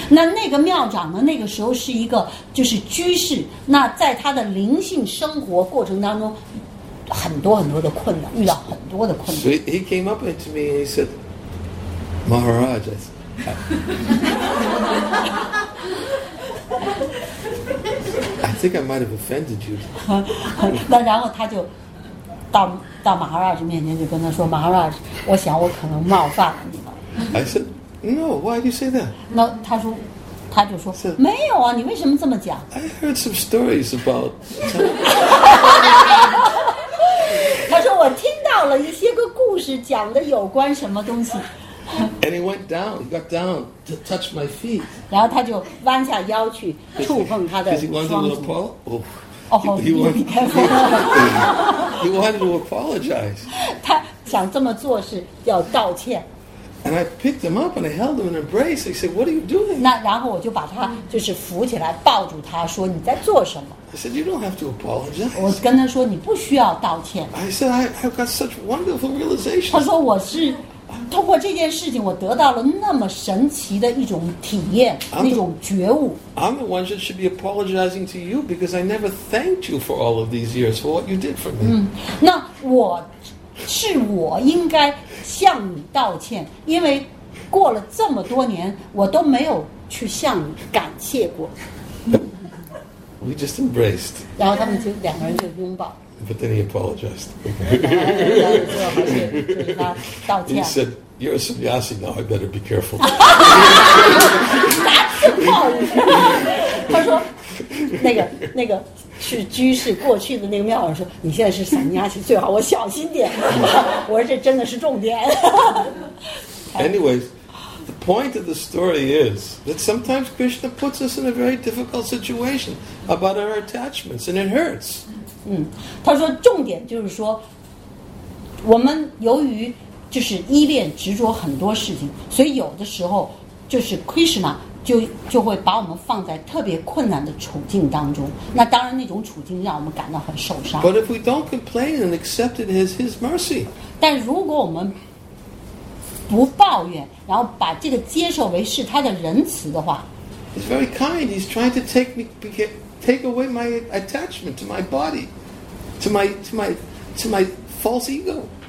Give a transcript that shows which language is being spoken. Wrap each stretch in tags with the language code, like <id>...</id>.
<zh>那个庙长呢？那个时候是一个就是居士，那在他的灵性生活过程当中，很多很多的困难，遇到很多的困难。</zh> <en>So he came up to me and he said, "Maharaj, I think I might have offended you."</en> <zh>那然后他就到马哈拉什面前就跟他说马哈拉什我想我可能冒犯了你了。</zh> <en>I said, no, why do you say that?</en> <zh>那他就说</zh> <en>said,</en> <zh>没有啊你为什么这么讲</zh> <en>I heard some stories about</en> <zh>他说我听到了一些个故事讲的有关什么东西。</zh> <en>And he went down, he got down to touch my feet.</en> <zh>然后他就弯下腰去触碰他的双</zh> <en>足。He wanted to apologize.</en> <zh>他想这么做是要道歉。</zh> <en>And I picked him up and I held him in an embrace. He said, "What are you doing?"</en> <zh>那然后我就把他就是扶起来抱住他说你在做什么</zh> <en>？I said, "You don't have to apologize."</en> <zh>我跟他说你不需要道歉。</zh> <en>I said, "I've got such wonderful realization."</en> <zh>他说我是通过这件事情我得到了那么神奇的一种体验，那种觉悟。</zh> <en>I'm the one that should be apologizing to you because I never thanked you for all of these years for what you did for me.</en> <zh>那我是我应该向你道歉，因为过了这么多年，我都没有去向你感谢过。</zh> <en>We just embraced.</en> <zh>然后他们就两个人就拥抱。</zh> <en>But then he apologized. He said, "You're a sannyasi now. I better be careful." That's the problem. He said,</en> <zh>"那个是居士过去的那个庙长说，你现在是sannyasi，最好我小心点。我说这真的是重点。</zh> <en>Anyways, the point of the story is that sometimes Krishna puts us in a very difficult situation about our attachments, and it hurts."</en> <zh>他说重点就是说我们由于就是依恋执着很多事情所以有的时候就是 Krishna 就会把我们放在特别困难的处境当中那当然那种处境让我们感到很受伤</zh> <en>But if we don't complain and accept it as his mercy</en> <zh>但如果我们不抱怨然后把这个接受为是他的仁慈的话</zh> <en>He's very kind He's trying to take me take away my attachment to my body, to my false ego.</en>